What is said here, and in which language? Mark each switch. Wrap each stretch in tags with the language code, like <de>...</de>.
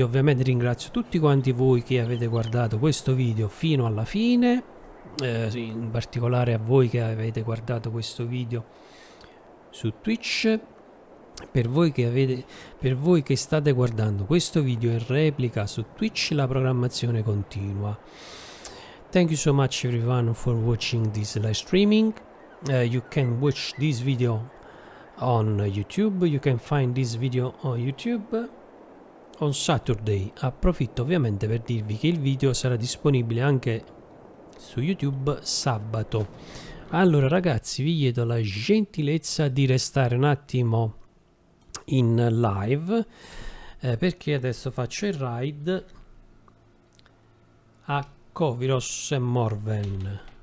<it>Ovviamente ringrazio tutti quanti voi che avete guardato questo video fino alla fine, in particolare a voi che avete guardato questo video su Twitch. Per voi che state guardando questo video in replica su Twitch, la programmazione continua.</it> <en>Thank you so much everyone for watching this live streaming. You can watch this video on YouTube. You can find this video on YouTube on Saturday.</en> <it>Approfitto ovviamente per dirvi che il video sarà disponibile anche su YouTube sabato. Allora ragazzi, vi chiedo la gentilezza di restare un attimo in live, perché adesso faccio il raid a Koviros e Morven.</it>